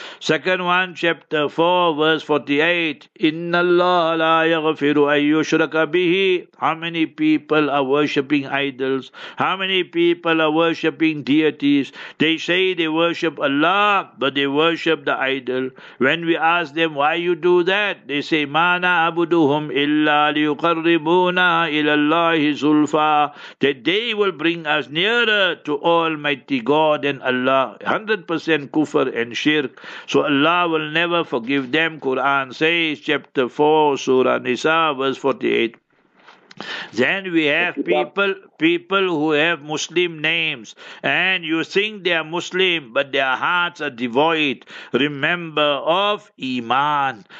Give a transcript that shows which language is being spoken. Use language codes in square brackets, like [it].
[en] Second one, chapter 4, verse 48. [ar] إِنَّ اللَّهَ لَا يَغْفِرُ أَن يُشْرَكَ بِهِ. [en] How many people are worshipping idols? How many people are worshipping deities? They say they worship Allah, but they worship the idol. When we ask them, why you do that? They say, [ar] مَا نَعْبُدُهُمْ إِلَّا لِيُقَرِّبُونَ إِلَى اللَّهِ زُلْفَى. [en] That they will bring us nearer to Almighty God and Allah. 100% kufr and shirk. So Allah will never forgive them. Quran says, chapter 4, Surah Nisa, verse 48. Then we have people who have Muslim names, and you think they are Muslim, but their hearts are devoid, remember, of Iman.